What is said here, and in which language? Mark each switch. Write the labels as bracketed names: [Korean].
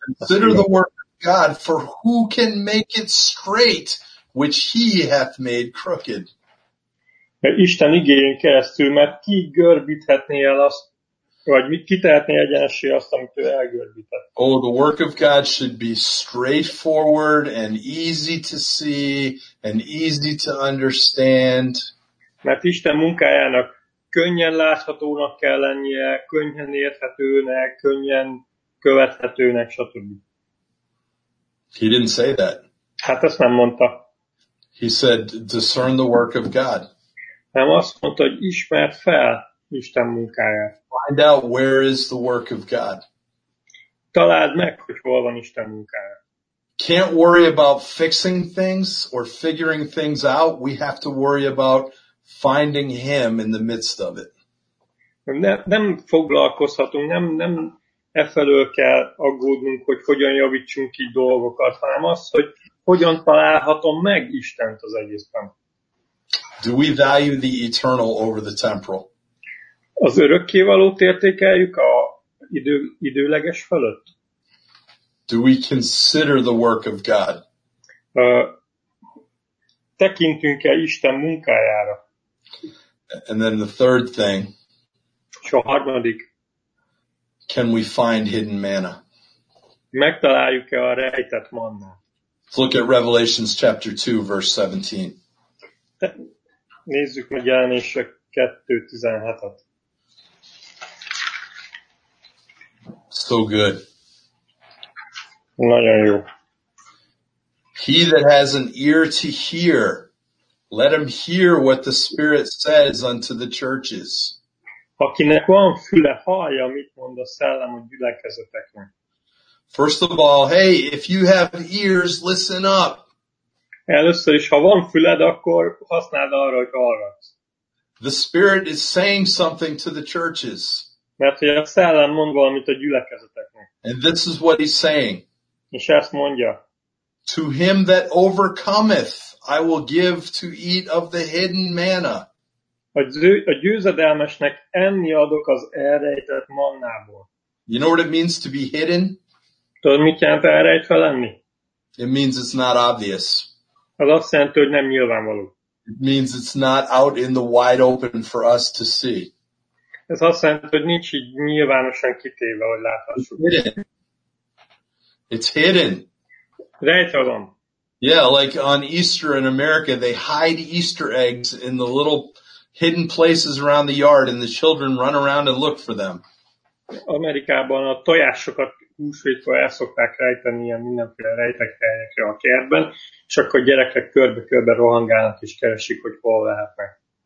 [English] Consider the work of God, for who can make it straight, which he hath made crooked. [Hungarian] Mert Isten igényén keresztül, mert ki görbíthetné el azt, vagy ki tehetné egyenessé azt, amit ő elgörbített. [English] Oh, the work of God should be straightforward and easy to see and easy to understand. [Hungarian] Mert Isten munkájának könnyen láthatónak kell lennie, könnyen érthetőnek, könnyen követhetőnek, stb. [English] He didn't say that. [Hungarian] Hát ezt nem mondta. [English] He said, discern the work of God. [Hungarian] Nem, azt mondta, hogy ismerd fel Isten munkáját. [English] Find out where is the work of God. [Hungarian] Találd meg, hogy hol van Isten munkája. [English] Can't worry about fixing things or figuring things out. We have to worry about finding him in the midst of it. [Hungarian] Nem foglalkozhatunk, nem e felől kell aggódnunk, hogy hogyan javítsunk ki dolgokat, hanem az, hogy hogyan találhatom meg Istent az egészben. [English] Do we value the eternal over the temporal? [Hungarian] Az örökkévalót értékeljük a időleges fölött? [English] Do we consider the work of God? [Hungarian] Tekintünk-e Isten munkájára? [English] And then the third thing. [Hungarian] És a harmadik. [English] Can we find hidden manna? [Hungarian] Megtaláljuk-e a rejtett mannát? [English] Let's look at Revelation chapter 2, verse 17. [Hungarian] Nézzük meg Jelenések 2:17-et. [English] So good. [Hungarian] Nagyon jó. [English] He that has an ear to hear, let him hear what the Spirit says unto the churches. [Hungarian] Akinek van füle, hallja, mit mond a szellem a gyülekezeteknek. [English] First of all, hey, if you have ears, listen up. [Hungarian] Először is, ha van füled, akkor használd arra, hogy hallgass. [English] The Spirit is saying something to the churches. [Hungarian] Mert hogy a szellem mond valamit a gyülekezeteknek. [English] And this is what he's saying. [Hungarian] És ezt mondja. [English] To him that overcometh, I will give to eat of the hidden manna. [Hungarian] A győzedelmesnek enni adok az elrejtett mannából. [English] You know what it means to be hidden? [Hungarian] Tudod, mit jelent elrejtve lenni? [English] It means it's not obvious. [Hungarian] Az azt jelenti, hogy nem nyilvánvaló. [English] It means it's not out in the wide open for us to see. [Hungarian] Ez azt jelenti, hogy nincs így nyilvánosan kitéve, hogy láthassuk. [English] It's hidden. [Hungarian] Rejtve van. [English] Yeah, like on Easter in America, they hide Easter eggs in the little hidden places around the yard, and the children run around and look for them. [Hungarian] Amerikában a tojásokat húsvétkor el szokták rejteni ilyen mindenféle rejtekhelyekre a kertben, és akkor gyerekek körbe-körbe rohangálnak és keresik, hogy hol lehetnek.